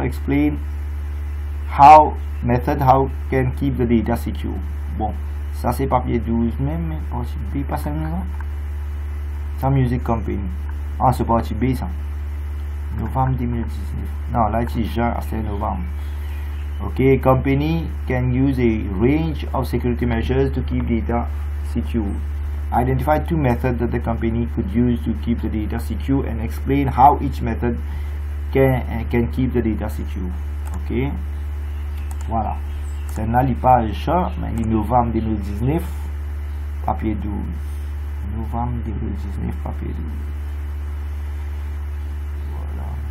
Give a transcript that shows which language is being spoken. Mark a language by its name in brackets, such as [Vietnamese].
[English] Explain how method how can keep the data secure. [French] Bon, ça c'est papier 12 même, mais possible pas seulement. Sa music company. Ah, c'est parti B ça. Novembre 2019. Non, là, c'est juin, c'est novembre. [English] Ok, company can use a range of security measures to keep data secure. Identify two methods that the company could use to keep the data secure and explain how each method can keep the data secure. [French] Ok. Voilà. C'est là, il parle juin, mais il est novembre 2019. Papier 12. Novembre 2019, papier 12. Voilà.